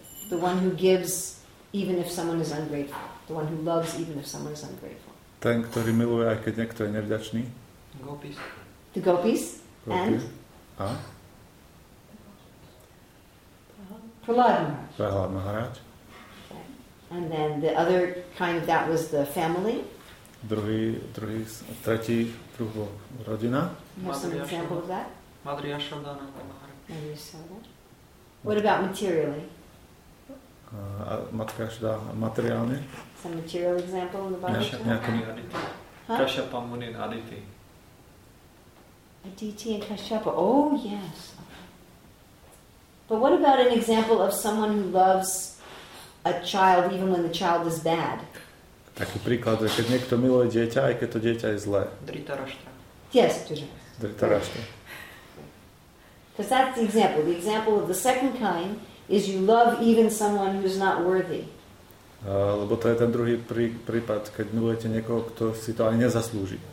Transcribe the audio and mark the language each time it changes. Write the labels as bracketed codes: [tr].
[en] The one who gives even if someone is ungrateful. The one who loves even if someone is ungrateful. [sk] Ten, ktorý miluje, aj keď niekto je nevďačný. [en] Gopis. The gopis? And? [sk] A? [en] Prahlad Maharaj. Prahlad Maharaj. And then the other kind of that was the family. [sk] Druhý, tretí druh bol rodina. [en] Have some example of that? Madri Yashodana Maharaj. Maybe you saw that. What about materially? [sk] Matka Yashoda, materiálne. [en] Some material example in the Bible? Kashyapa Muni and Aditi. Aditi and Kashyapa, oh yes. But what about an example of someone who loves a child even when the child is bad. [sk] Taký príklad, že keď niekto miluje dieťa, aj keď to dieťa je zlé. [en] Dhritarashtra. Yes, Dhritarashtra. Dhritarashtra. Because that's the example. The example of the second kind is you love even someone who's not worthy. [sk] Lebo to je ten druhý prípad, keď milujete niekoho, kto si to ani nezaslúži.